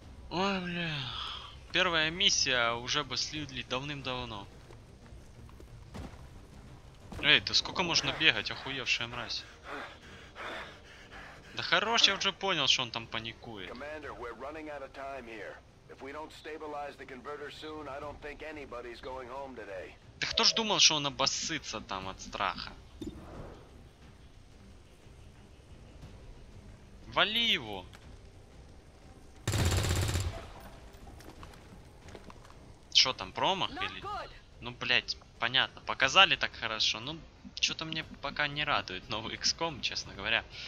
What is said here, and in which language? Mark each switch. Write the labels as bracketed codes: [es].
[ru] Ой, бля. Первая миссия уже бы слили давным-давно. Эй, да сколько можно бегать, охуевшая мразь? Да хорош, я уже понял, что он там паникует. [en] Commander, we're running out of time here. If we don't stabilize the converter soon, I don't think anybody's going home today. [ru] Да кто ж думал, что он обоссится там от страха? Вали его! Что там, промах или... Ну, блять, понятно, показали так хорошо, ну, что-то мне пока не радует новый XCOM, честно говоря.